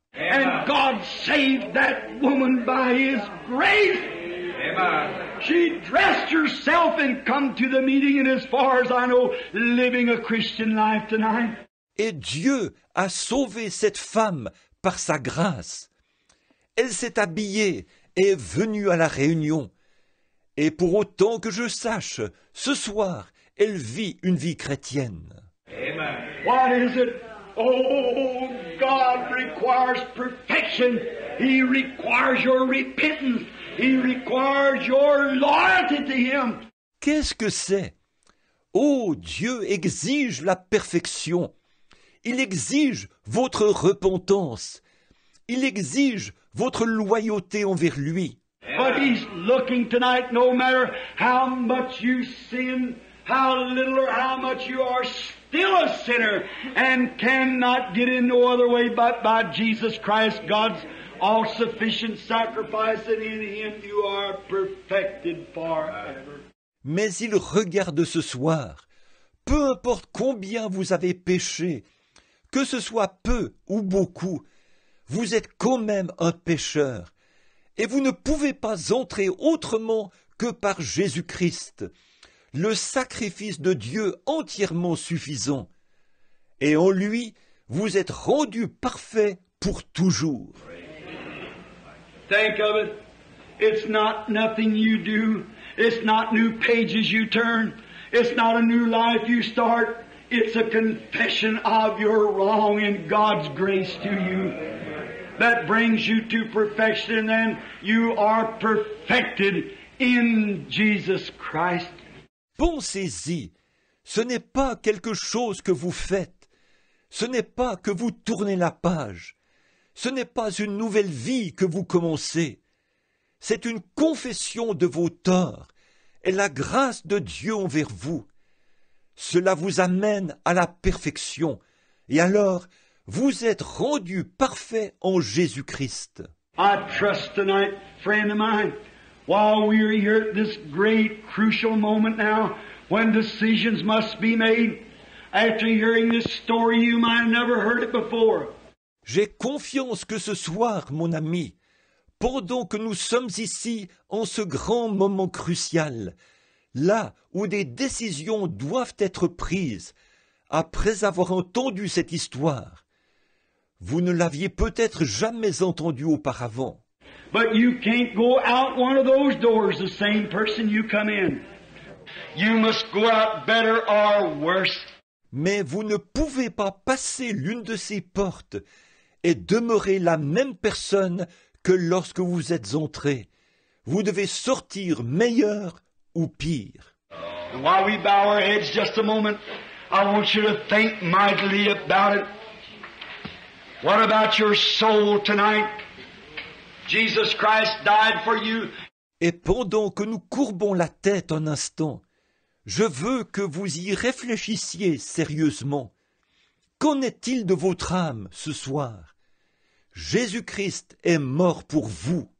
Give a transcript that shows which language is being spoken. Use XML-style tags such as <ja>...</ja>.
<en>And God saved that woman by His grace. Amen. She dressed herself and come to the meeting, and as far as I know, living a Christian life tonight.</en> <fr>Et Dieu a sauvé cette femme par sa grâce. Elle s'est habillée et est venue à la réunion. Et pour autant que je sache, ce soir, elle vit une vie chrétienne. Amen.</fr> <en>What is it? Oh, God requires perfection. He requires your repentance. He requires your loyalty to Him.</en> <fr>Qu'est-ce que c'est? Oh, Dieu exige la perfection. Il exige votre repentance. Il exige votre loyauté envers lui.</fr> <en>But He's looking tonight, no matter how much you sin, how little or how much you are still a sinner and cannot get in no other way but by Jesus Christ, God's all-sufficient sacrifice, and in Him you are perfected forever.</en> <fr>Mais il regarde ce soir, peu importe combien vous avez péché, que ce soit peu ou beaucoup, vous êtes quand même un pécheur, et vous ne pouvez pas entrer autrement que par Jésus-Christ, le sacrifice de Dieu entièrement suffisant. Et en lui, vous êtes rendu parfait pour toujours.</fr> <en>Think of it. It's not nothing you do. It's not new pages you turn. It's not a new life you start. It's a confession of your wrong and God's grace to you that brings you to perfection, and you are perfected in Jesus Christ.</en> <fr>Pensez-y, ce n'est pas quelque chose que vous faites, ce n'est pas que vous tournez la page, ce n'est pas une nouvelle vie que vous commencez, c'est une confession de vos torts et la grâce de Dieu envers vous. Cela vous amène à la perfection, et alors vous êtes rendu parfait en Jésus-Christ.</fr> <en>I trust tonight, friend of mine, while we are here at this great crucial moment now, when decisions must be made, after hearing this story, you might have never heard it before.</en> <fr>J'ai confiance que ce soir, mon ami, pendant que nous sommes ici en ce grand moment crucial, là où des décisions doivent être prises, après avoir entendu cette histoire, vous ne l'aviez peut-être jamais entendue auparavant.</fr> <en>But you can't go out one of those doors the same person you come in. You must go out better or worse.</en> <fr>Mais vous ne pouvez pas passer l'une de ces portes et demeurer la même personne que lorsque vous êtes entré. Vous devez sortir meilleur ou pire.</fr> <en>And while we bow our heads just a moment, I want you to think mightily about it. What about your soul tonight? Jesus Christ died for you.</en> <fr>Et pendant que nous courbons la tête un instant, je veux que vous y réfléchissiez sérieusement. Qu'en est-il de votre âme ce soir? Jésus-Christ est mort pour vous.</fr>